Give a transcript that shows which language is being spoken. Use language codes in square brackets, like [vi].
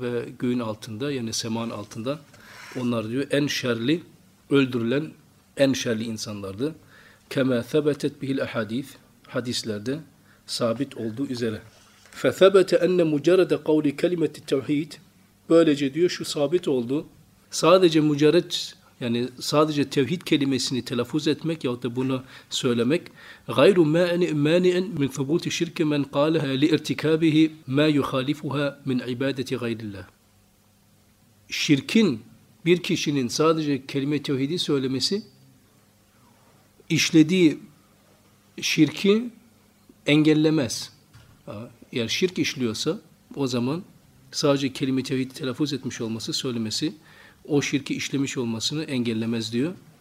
[tr] Ve göğün altında, yani semanın altında onlar diyor en şerli, öldürülen en şerli insanlardı. [ar] كَمَا ثَبَتَتْ بِهِ الْاَحَادِيثِ. [tr] Hadislerde sabit olduğu üzere. [ar] فَثَبَتَ أَنَّ مُجَرَدَ قَوْلِ كَلِمَةِ التَّوْحِيدِ. [tr] Böylece diyor şu sabit oldu. Sadece mücered, yani sadece tevhid kelimesini telaffuz etmek yahut da bunu söylemek [ar] غَيْرُ مَانِئًا مِنْ ثُبُوتِ شِرْكِ مَنْ قَالَهَا لِإِرْتِكَابِهِ مَا يُخَالِفُهَا مِنْ عِبَادَةِ غَيْرِ اللّٰهِ. [tr] Şirkin bir kişinin sadece kelime tevhidi söylemesi işlediği şirki engellemez. Eğer şirk işliyorsa o zaman sadece kelime tevhid telaffuz etmiş olması, söylemesi o şirki işlemiş olmasını engellemez diyor.